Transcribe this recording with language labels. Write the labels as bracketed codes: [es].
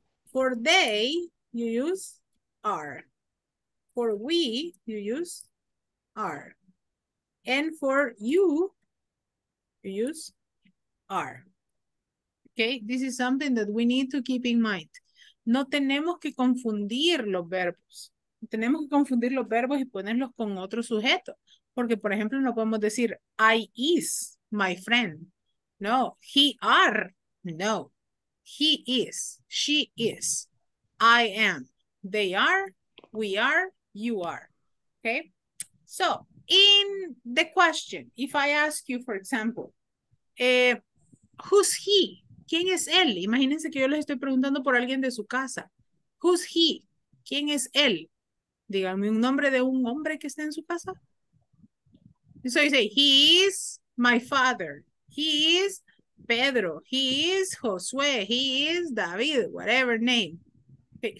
[en] For they, you use are. For we, you use are. And for you, you use are. Okay, this is something that we need to keep in mind. [es] No tenemos que confundir los verbos. Tenemos que confundir los verbos y ponerlos con otro sujeto. Porque, por ejemplo, no podemos decir, [en] I is my friend. No, he are. No, he is, she is, I am, they are, we are, you are. Okay, so in the question, if I ask you, for example, who's he? [es] ¿Quién es él? Imagínense que yo les estoy preguntando por alguien de su casa. [en] Who's he? [es] ¿Quién es él? Díganme un nombre de un hombre que está en su casa. [en] So you say, he is my father. He is Pedro. He is Josué. He is David. Whatever name. Okay.